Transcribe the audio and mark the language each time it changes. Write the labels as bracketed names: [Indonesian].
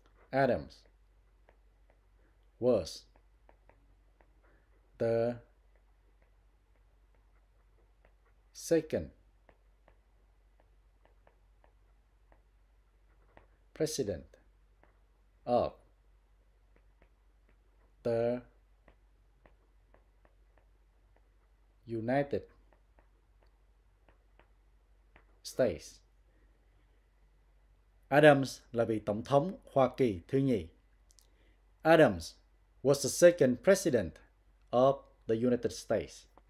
[English] Adams was the second president of the United States. [Vietnamese] Adams là vị tổng thống Hoa Kỳ thứ nhì. [English] Adams was the second president of the United States.